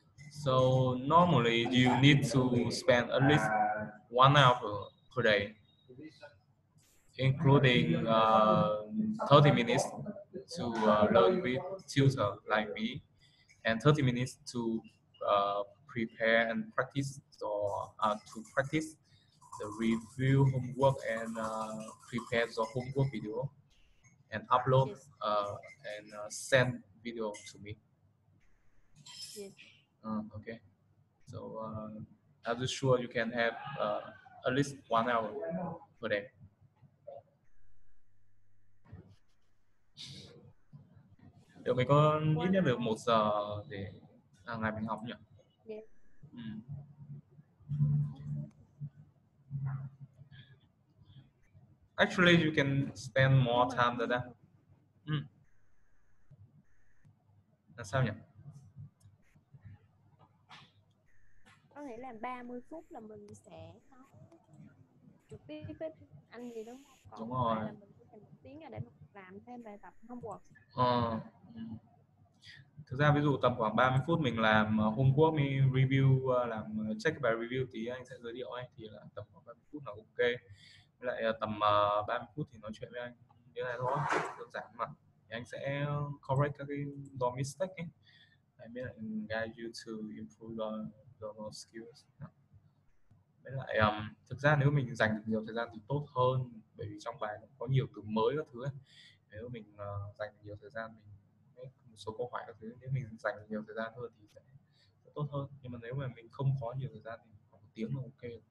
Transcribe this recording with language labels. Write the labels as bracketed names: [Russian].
[English] So normally you need to spend at least 1 hour per day, including 30 minutes to learn with tutor like me, and 30 minutes to prepare and practice, to practice the review homework and prepare the homework video, and upload and send video to me. Okay, so I'm sure you can have at least 1 hour per day. [Vietnamese] Liệu mình có ít nhất được 1 giờ để hàng ngày mình học nhỉ? [English] Actually, you can spend more time than that. [Vietnamese] Là sao nhỉ? Có thể là 30 phút là mình sẽ có trực tiếp với anh gì đúng không? Đúng Còn không phải rồi. là mình có thể một tiếng là để mình làm thêm bài tập homework. Thực ra ví dụ tầm khoảng 30 phút mình làm homework, mình review, làm check bài review tí anh sẽ giới thiệu anh, thì là tầm khoảng 30 phút là ok. Với lại tầm 30 phút thì nói chuyện với anh như này thôi, đơn giản mà. Thì anh sẽ [English] correct [Vietnamese] các cái [English] mistake [Vietnamese] ấy. [English] I mean, guide you to improve your skills. [Vietnamese] Với lại thực ra nếu mình dành được nhiều thời gian thì tốt hơn, bởi vì trong bài có nhiều từ mới các thứ ấy. Nếu mình dành nhiều thời gian mình số câu hỏi các thứ, nếu mình dành nhiều thời gian hơn thì sẽ tốt hơn, nhưng mà nếu mà mình không có nhiều thời gian thì khoảng 1 tiếng là